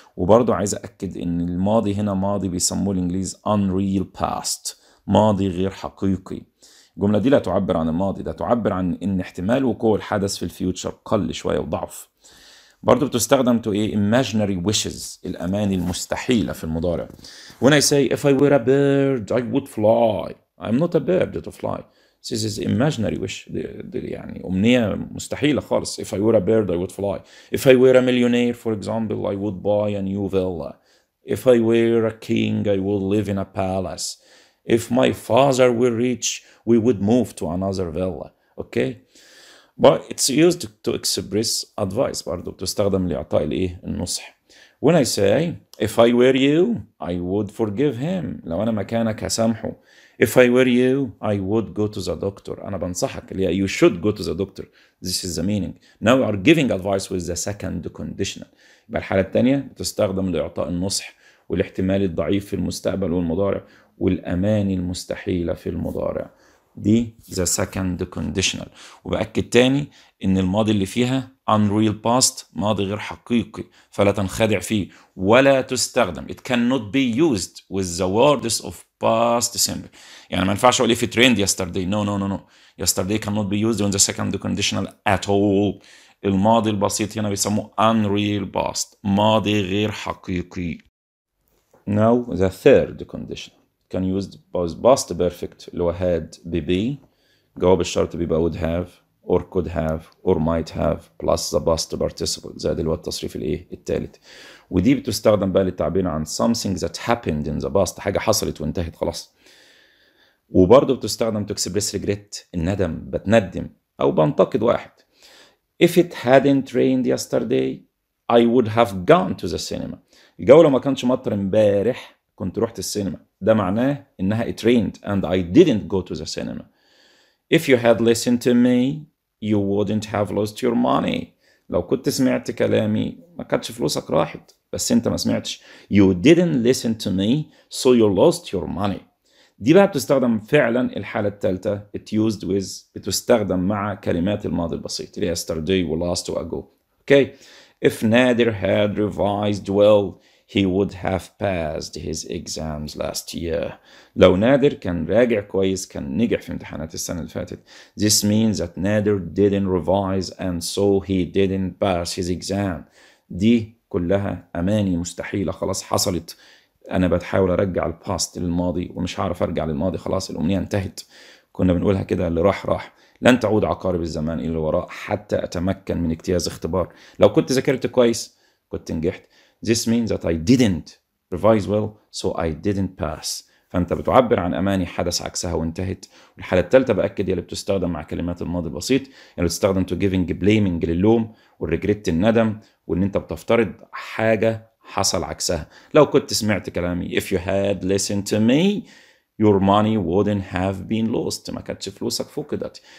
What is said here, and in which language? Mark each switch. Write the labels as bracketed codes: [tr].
[ar] وبرضو عايز اكد ان الماضي هنا ماضي بيسموه الانجليز unreal past، ماضي غير حقيقي. الجمله دي لا تعبر عن الماضي، ده تعبر عن ان احتمال وقوع الحدث في الفيوتشر قل شويه وضعف. برضو بتستخدم تو ايه [en] imaginary wishes، [ar] الاماني المستحيله في المضارع. [en] When I say if I were a bird I would fly، I'm not a bird to fly. This is imaginary wish، [ar] يعني أمنية مستحيلة خالص. [en] If I were a bird I would fly. If I were a millionaire for example I would buy a new villa. If I were a king I would live in a palace. If my father were rich we would move to another villa. Okay؟ But it's used to express advice [ar] برضو، بتستخدم لإعطاء الإيه؟ النصح. [en] When I say if I were you I would forgive him، [ar] لو أنا مكانك هسامحه. [en] If I were you I would go to the doctor، [ar] أنا بنصحك اللي هي [en] you should go to the doctor. This is the meaning. Now we are giving advice with the second conditional. [ar] يبقى الحالة الثانية بتستخدم لإعطاء النصح والاحتمال الضعيف في المستقبل والمضارع والأماني المستحيلة في المضارع. [en] دي the second conditional. [ar] وبأكد تاني إن الماضي اللي فيها unreal past، ماضي غير حقيقي، فلا تنخدع فيه ولا تستخدم. [en] It cannot be used with the words of past simple. [ar] يعني ما ينفعش أقول [en] if it rained yesterday. No no no no. Yesterday cannot be used in the second conditional at all. [ar] الماضي البسيط هنا بيسموه unreal past، ماضي غير حقيقي. [en] Now the third conditional can used both past perfect [ar] اللي هو [en] had be. جواب الشرط بيبقى would have or could have or might have plus the past participle [ar] زائد اللي هو التصريف الايه الثالث. ودي بتستخدم بقى للتعبير عن [en] something that happened in the past، [ar] حاجه حصلت وانتهت خلاص. وبرضه بتستخدم [en] to express regret، [ar] الندم، بتندم او بنتقد واحد. [en] If it hadn't rained yesterday I would have gone to the cinema، [ar] الجو لو ما كانش مطر امبارح كنت رحت السينما، [en] ده معناه انها it rained and I didn't go to the cinema. If you had listened to me you wouldn't have lost your money، [ar] لو كنت سمعت كلامي ما كانتش فلوسك راحت، بس انت ما سمعتش. [en] You didn't listen to me so you lost your money. [ar] دي بقى بتستخدم فعلا الحالة التالتة، [en] it used with، [ar] بتستخدم مع كلمات الماضي البسيط اللي هي yesterday و last و ago. [en] Okay. If Nader had revised well he would have passed his exams last year. [ar] لو نادر كان راجع كويس كان نجح في امتحانات السنة اللي فاتت. [en] This means that Nader didn't revise and so he didn't pass his exam. [ar] دي كلها أماني مستحيلة خلاص حصلت. أنا بتحاول أرجع الباست للماضي ومش هعرف أرجع للماضي، خلاص الأمنية انتهت. كنا بنقولها كده اللي راح راح. لن تعود عقارب الزمان إلى الوراء حتى أتمكن من اجتياز اختبار. لو كنت ذاكرت كويس كنت نجحت. [en] This means that I didn't revise well, so I didn't pass. [ar] فأنت بتعبر عن أماني حدث عكسها وانتهت. والحالة الثالثة بأكد هي اللي بتستخدم مع كلمات الماضي البسيط، يعني بتستخدم [en] to giving blaming [ar] للوم والregret الندم، وإن أنت بتفترض حاجة حصل عكسها. لو كنت سمعت كلامي [en] if you had listened to me your money wouldn't have been lost، [ar] ما كانتش فلوسك فقدت.